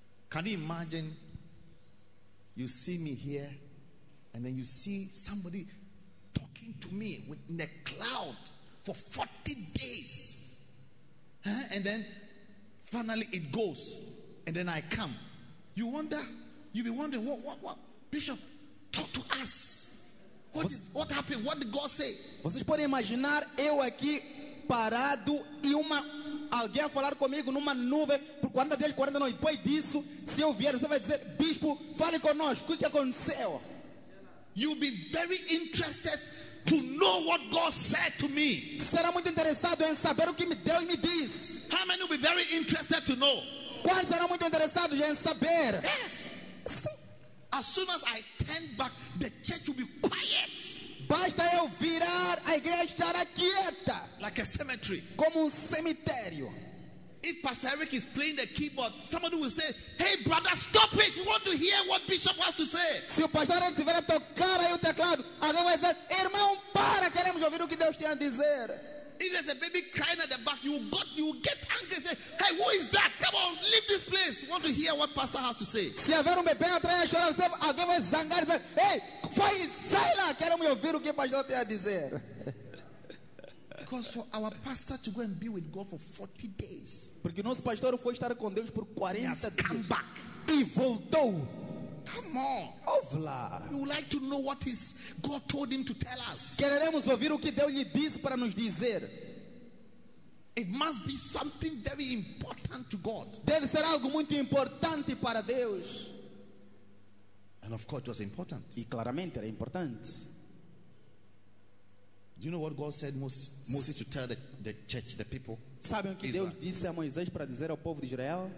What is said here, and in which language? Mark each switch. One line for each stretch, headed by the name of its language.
English: Can you imagine you see me here and then you see somebody talking to me in the cloud for 40 days? Huh? And then finally it goes and then I come. You wonder, you be wondering, what Bishop, talk to us. What happened? What did God say?
Portuguese: Vocês podem imaginar eu aqui parado e uma alguém falar comigo numa nuvem por 40 dias, 40 noites. Depois disso, se eu vier, você vai dizer, Bispo, fale conosco. O que aconteceu?
English: You'll be very interested to know what God said to me.
Portuguese: Será muito interessado em saber o que me deu e me diz.
English: How many will be very interested to know?
Portuguese: Quais serão muito interessados em saber?
English: Yes. As soon as I turn back, the church will be quiet.
Portuguese: Basta eu virar, a igreja estará quieta.
English: Like a cemetery.
Portuguese: Como cemitério.
English: If Pastor Eric is playing the keyboard, somebody will say, hey brother, stop it. We want to hear what Bishop has to say.
Portuguese: Se o pastor Eric estiver a tocar aí o teclado, alguém vai dizer, irmão, para, queremos ouvir o que Deus tem a dizer.
English: If there's a baby crying at the back, you get angry and say, hey, who is that? Come on, leave this place. Want to hear what pastor has to say.
Portuguese: Se houver bebê atrás a chorar, alguém vai zangar e dizer, hey, sai lá, quero me ouvir o que o pastor tem a dizer.
English: Because for our pastor to go and be with God for 40 days.
Portuguese: Porque nosso pastor foi estar com Deus por 40
English: dias. Come back.
Portuguese: E voltou.
English: Come on. Ovla. We would like to know what his God told him to tell us.
Portuguese: Queremos ouvir o que Deus lhe disse para nos dizer.
English: It must be something very important to God.
Portuguese: Deve ser algo muito importante para Deus.
English: And of course it was important.
Portuguese: E claramente era importante.
English: Do you know what God said Moses to tell the church, the people?
Portuguese: Sabem o que Deus disse a Moisés para dizer ao povo de Israel?